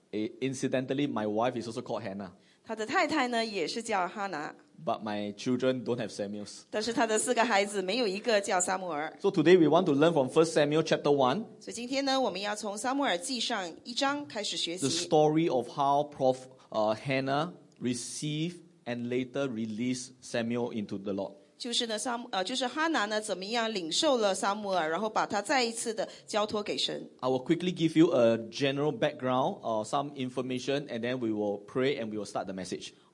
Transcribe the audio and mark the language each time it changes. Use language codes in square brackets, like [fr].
[en] Incidentally, my wife is also called Hannah. [zh] 他的太太呢，也是叫汉娜。 [en] But my children don't have Samuels. [zh] 但是他的四个孩子没有一个叫撒母耳。 [en] So today we want to learn from 1 Samuel chapter 1. [zh] 所以今天呢，我们要从撒母耳记上一章开始学习。 [en] The story of how Prof. Hannah received and later released Samuel into the Lord. [zh] 就是呢，撒就是哈拿呢，怎么样领受了撒母耳，然后把他再一次的交托给神。 [en] I will quickly give you a general background, some information, and then we will pray and we will start the message.